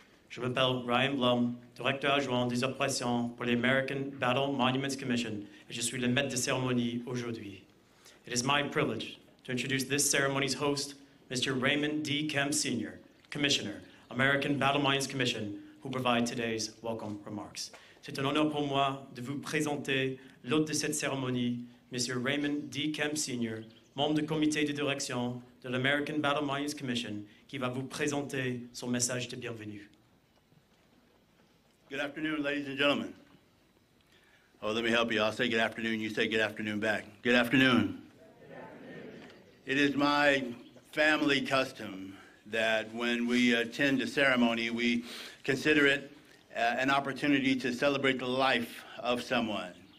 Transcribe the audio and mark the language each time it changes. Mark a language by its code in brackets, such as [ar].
[fr] Je m'appelle Ryan Blum, Directeur Adjoint des Opérations pour l'American Battle Monuments Commission et je suis le maître de cérémonie aujourd'hui. [en] It is my privilege to introduce this ceremony's host, Mr. Raymond D. Kemp, Sr., Commissioner, American Battle Monuments Commission, who provide today's welcome remarks. [fr] C'est un honneur pour moi de vous présenter l'hôte de cette cérémonie, Mr. Raymond D. Kemp, Sr., membre du comité de direction de l'American Battle Monuments Commission, qui va vous présenter son message de bienvenue. [en] Good afternoon, ladies and gentlemen. Oh, let me help you. I'll say good afternoon, you say good afternoon back. Good afternoon. It is my family custom that when we attend a ceremony, we consider it an opportunity to celebrate the life of someone.